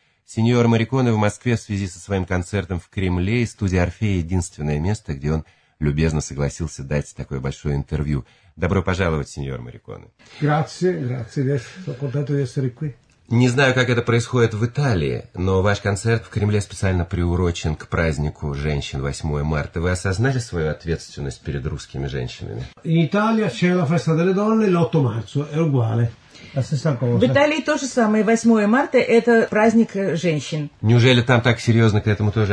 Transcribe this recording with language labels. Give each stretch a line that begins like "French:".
Russian: Сеньор Морриконе в Москве в связи со своим концертом в Кремле, и студия «Орфея» — единственное место, где он любезно согласился дать такое большое интервью. Добро пожаловать, сеньор Морриконе.
Italian: Grazie.
Russian: Не знаю, как это происходит в Италии, но ваш концерт в Кремле специально приурочен к празднику женщин 8 марта. Вы осознали свою ответственность перед русскими женщинами?
Italian: In Italia c'è la festa delle donne l'8 marzo, è uguale.
Russian: В Италии то же самое, 8 марта – это праздник женщин. Неужели там так серьезно к этому тоже